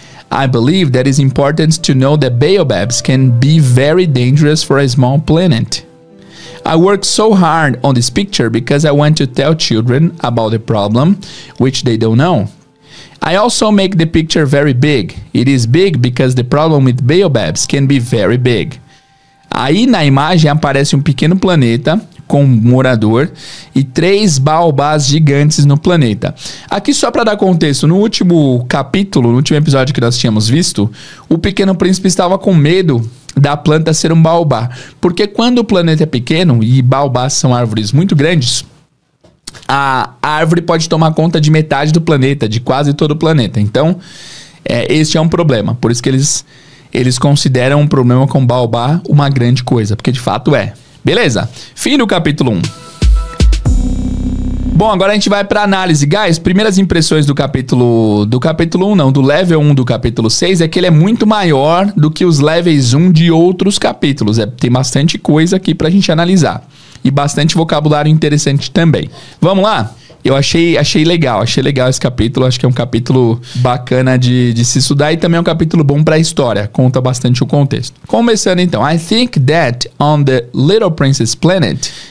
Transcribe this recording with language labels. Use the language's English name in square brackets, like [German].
[English] I believe that is important to know that baobabs can be very dangerous for a small planet. I worked so hard on this picture because I want to tell children about the problem, which they don't know. I also make the picture very big. It is big because the problem with baobabs can be very big. [Portuguese] Aí na imagem aparece um pequeno planeta com um morador e 3 baobás gigantes no planeta. Aqui só para dar contexto, no último capítulo, no último episódio que nós tínhamos visto, o pequeno príncipe estava com medo da planta ser um baobá. Porque quando o planeta é pequeno e baobás são árvores muito grandes, a árvore pode tomar conta de metade do planeta, de quase todo o planeta. Então, este é um problema. Por isso que eles consideram um problema com baobá uma grande coisa, porque de fato é. Beleza? Fim do capítulo 1. Bom, agora a gente vai pra análise. Guys, primeiras impressões do capítulo... do level 1 do capítulo 6 é que ele é muito maior do que os levels 1 de outros capítulos. Tem bastante coisa aqui pra gente analisar. E bastante vocabulário interessante também. Vamos lá? Eu achei legal esse capítulo. Acho que é um capítulo bacana de se estudar e também é um capítulo bom para a história. Conta bastante o contexto. Começando então. [English] I think that on the Little Prince's planet...